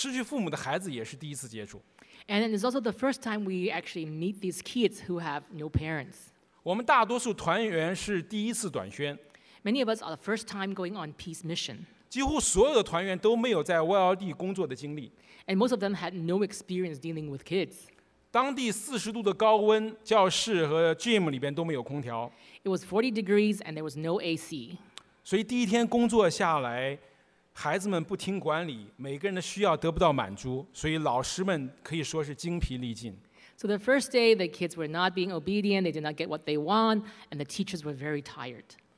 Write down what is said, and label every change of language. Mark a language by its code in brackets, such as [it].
[zh] 第二是我们和失去父母的孩子也是第一次接触。 [en] And it's also the first time we actually meet these kids who have no parents. [zh] 我们大多数团员是第一次短宣。 [en] Many of us are the first time going on peace mission. [zh] 几乎所有的团员都没有在YLD工作的经历。 [en] And most of them had no experience dealing with kids. [zh] 当地40度的高温, 教室和gym里边都没有空调。 [en] It was 40 degrees and there was no AC. [zh] 所以第一天工作下来, 孩子们不听管理，每个人的需要得不到满足，所以老师们可以说是精疲力尽。 [en] So the first day, the kids were not being obedient, they did not get what they want, and the teachers were very tired.